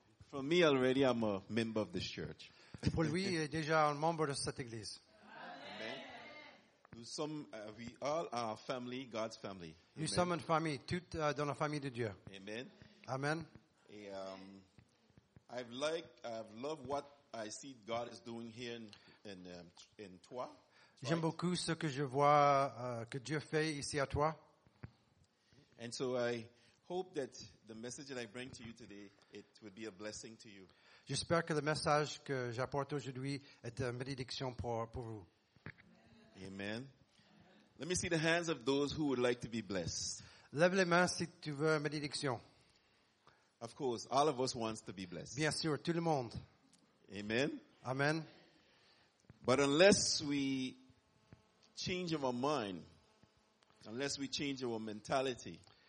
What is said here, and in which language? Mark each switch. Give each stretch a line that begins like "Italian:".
English: For me already, I'm a member of this church.
French: Pour lui, il est déjà un membre de cette église.
English: Amen.
French: Nous sommes,
English: we all are family, God's family.
French: Nous sommes une famille, toutes dans la famille de Dieu. Amen. Amen. Et
English: I've loved what I see God is doing here in Troyes.
French: J'aime beaucoup ce que je vois que Dieu fait ici à toi.
English: And so I hope that the message that I bring to you today, it would be a blessing to you.
French: J'espère que le message que j'apporte aujourd'hui est une bénédiction pour vous. Amen.
English: Let me see the hands of those who would like to be blessed.
French: Lève les mains si tu veux une bénédiction.
English: Of course, all of us wants to be blessed.
French: Bien sûr, tout le monde. Amen. Amen.
English: But unless we change our mind, unless we change our mentality.